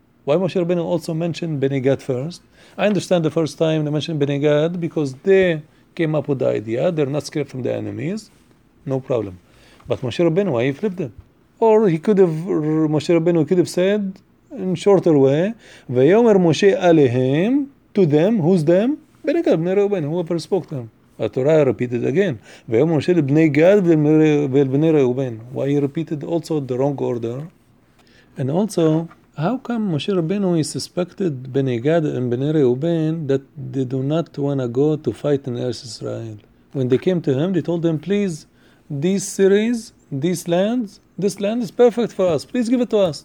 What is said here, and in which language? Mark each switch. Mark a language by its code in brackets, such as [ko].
[en] Why Moshe Rabbeinu also mentioned Bnei Gad first? I understand the first time they mentioned Bnei Gad because they came up with the idea; they're not scared from the enemies, no problem. But Moshe Rabbeinu, why he flipped it? Or he could have Moshe Rabbeinu could have said in shorter way, "Vayomer Moshe alehim to them, who's them? Bnei Gad, Bnei Reuben, whoever spoke to them." Torah repeated again. [he] ויאמר משה לבני גד ולבני ראובן. [en] Why he repeated also the wrong order? And also, how come Moshe Rabbeinu he suspected בני גד and בני ראובן that they do not want to go to fight in Eretz Israel? When they came to him, they told him, please, these cities, these lands, this land is perfect for us. Please give it to us.